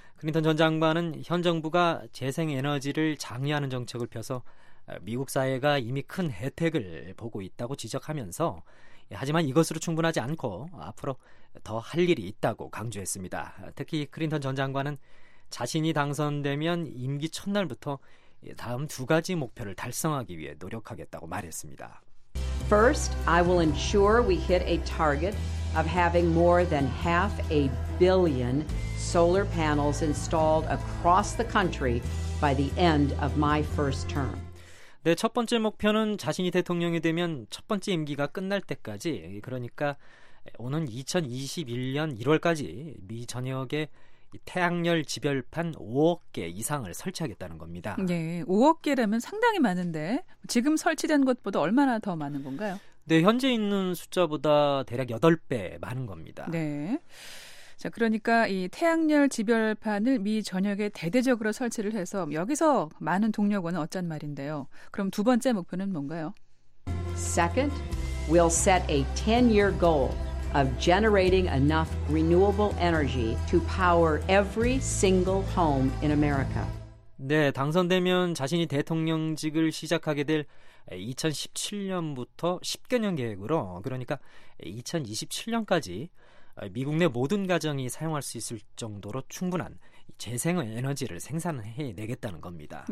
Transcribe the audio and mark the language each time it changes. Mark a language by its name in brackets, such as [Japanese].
[Korean] 클린턴 전 장관은 현 정부가 재생에너지를 장려하는 정책을 펴서 미국 사회가 이미 큰 혜택을 보고 있다고 지적하면서 하지만 이것으로 충분하지 않고 앞으로 더 할 일이 있다고 강조했습니다. 특히 클린턴 전 장관은 자신이 당선되면 임기 첫날부터 다음 두 가지 목표를 달성하기 위해 노력하겠다고 말했습니다. [English] First, I will ensure we hit a target of having more than half a billion solar panels installed across the country by the end of my first term. [Korean] 네, 첫 번째 목표는 자신이 대통령이 되면 첫 번째 임기가 끝날 때까지, 그러니까 오는 2021년 1월까지 미 전역에 태양열 지별판 5억 개 이상을 설치하겠다는 겁니다. 네, 5억 개라면 상당히 많은데 지금 설치된 것보다 얼마나 더 많은 건가요? 네, 현재 있는 숫자보다 대략 8배 많은 겁니다. 네. 자, 그러니까 이 태양열 지별판을 미 전역에 대대적으로 설치를 해서 여기서 많은 동력원은 어쩐 말인데요. 그럼 두 번째 목표는 뭔가요? [English] Second, we'll set a 10-year goal of generating enough renewable energy to power every single home in America. [Korean] 네, 당선되면 자신이 대통령직을 시작하게 될 2017년부터 10개년 계획으로, 그러니까 2027년까지 미국 내 모든 가정이 사용할 수 있을 정도로 충분한 재생에너지를 생산해내겠다는 겁니다.